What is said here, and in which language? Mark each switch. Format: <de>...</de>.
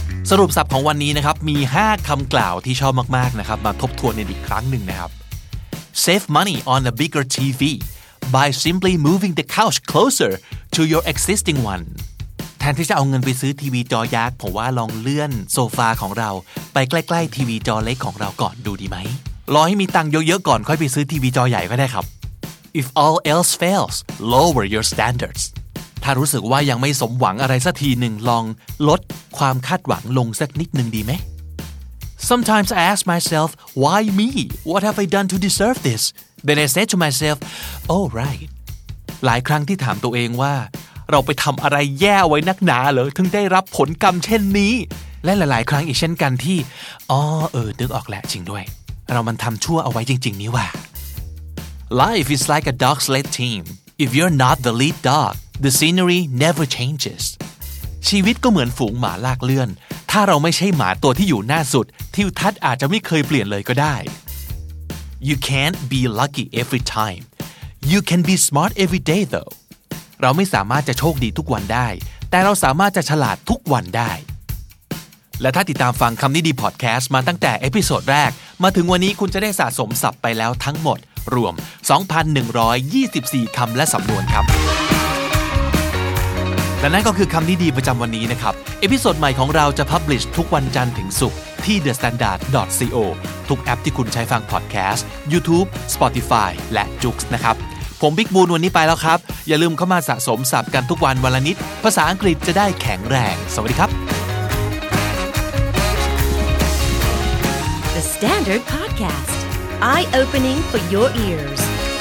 <th>สรุปศัพท์ของวันนี้นะครับมี5คำกล่าวที่ชอบมากๆนะครับมาทบทวนในอีกครั้งหนึ่งนะครับ</th> <en>Save money on a bigger TV by simply moving the couch closer to your existing one</en> <th>แทนที่จะเอาเงินไปซื้อทีวีจอยักษ์ผมว่าลองเลื่อนโซฟาของเราไปใกล้ๆทีวีจอเล็กของเราก่อนดูดีไหมรอให้มีตังค์เยอะๆก่อนค่อยไปซื้อทีวีจอใหญ่ก็ได้ครับ</th> <en>If all else fails, lower your standards.</en> <th>ถ้ารู้สึกว่ายังไม่สมหวังอะไรสักทีหนึ่งลองลดความคาดหวังลงสักนิดหนึ่งดีไหม</th> <en>Sometimes I ask myself, why me? What have I done to deserve this? Then I say to myself, oh right.</en> <th>หลายครั้งที่ถามตัวเองว่าเราไปทำอะไรแย่ไว้นักหนาเหรอถึงได้รับผลกรรมเช่นนี้และหลายๆครั้งอีกเช่นกันที่อ๋อนึกออกแหละจริงด้วยเรามันทำชั่วเอาไว้จริงๆนี่ว่า</th> <en>Life is like a dog sled team. If you're not the lead dog, the scenery never changes.</en> <th>ชีวิตก็เหมือนฝูงหมาลากเลื่อนถ้าเราไม่ใช่หมาตัวที่อยู่หน้าสุดทิวทัศน์อาจจะไม่เคยเปลี่ยนเลยก็ได้</th> <en>You can't be lucky every time. You can be smart every day though.</en> <th>เราไม่สามารถจะโชคดีทุกวันได้แต่เราสามารถจะฉลาดทุกวันได้และถ้าติดตามฟังคำนี้ดีพอดแคสต์มาตั้งแต่เอพิโซดแรกมาถึงวันนี้คุณจะได้สะสมศัพท์ไปแล้วทั้งหมดรวม 2,124 คำและสำนวนครับ และนั่นก็คือคำนี้ดีประจำวันนี้นะครับเอพิโซดใหม่ของเราจะพับลิชทุกวันจันทร์ถึงศุกร์ที่ thestandard.co ทุกแอปที่คุณใช้ฟังพอดแคสต์ YouTube Spotify และ Joox นะครับผมบิ๊กบูนวันนี้ไปแล้วครับอย่าลืมเข้ามาสะสมศัพท์กันทุกวันวันละนิดภาษาอังกฤษจะได้แข็งแรงสวัสดีครับ</th> <en>Standard Podcast. Eye-opening for your ears.</en>